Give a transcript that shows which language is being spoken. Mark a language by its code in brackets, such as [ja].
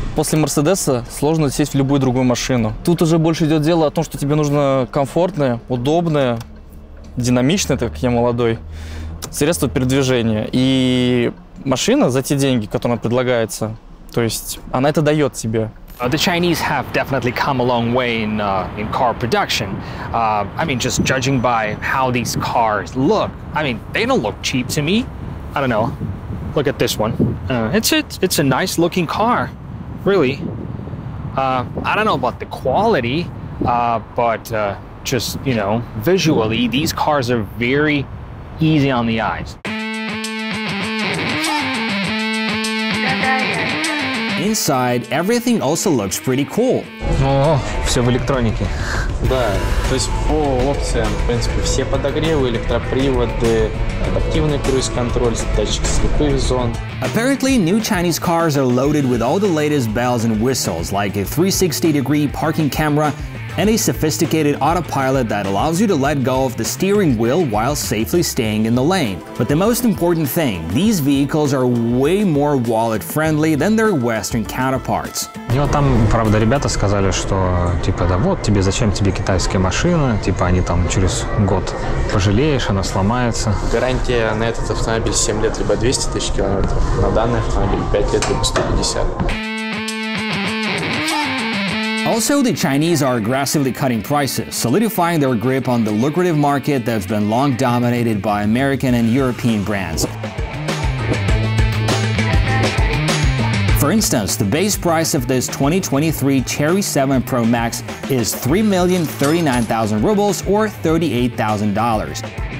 [ru] После Mercedes'а сложно сесть в любую другую машину. Тут уже больше идет дело о том, что тебе нужно комфортное, удобное, динамичное, так как я молодой. Средства передвижения. И машина за те деньги, которые она предлагается, то есть она это дает тебе. [en] The Chinese have definitely come a long way in car production. I mean, just judging by how these cars look, I mean, they don't look cheap to me. I don't know. Look at this one. It's a nice looking car, really. I don't know about the quality, but just, you know, visually, these cars are very easy on the eyes. Inside, everything also looks pretty cool. [ru] Все в электронике. Да, то есть по опциям, в принципе, все подогревы, электроприводы, адаптивный круиз-контроль, датчик слепых зон. [en] Apparently, new Chinese cars are loaded with all the latest bells and whistles, like a 360-degree parking camera, and a sophisticated autopilot that allows you to let go of the steering wheel while safely staying in the lane. But the most important thing, these vehicles are way more wallet-friendly than their Western counterparts. [ru] И вот там, правда, ребята сказали, что типа, да вот тебе, зачем тебе китайская машина, типа они там через год пожалеешь, она сломается. Гарантия на этот автомобиль 7 лет, либо 200 тысяч километров, на данный автомобиль 5 лет, либо 150. [en] Also, the Chinese are aggressively cutting prices, solidifying their grip on the lucrative market that's been long dominated by American and European brands. For instance, the base price of this 2023 Cherry 7 Pro Max is 3,039,000 rubles or $38,000.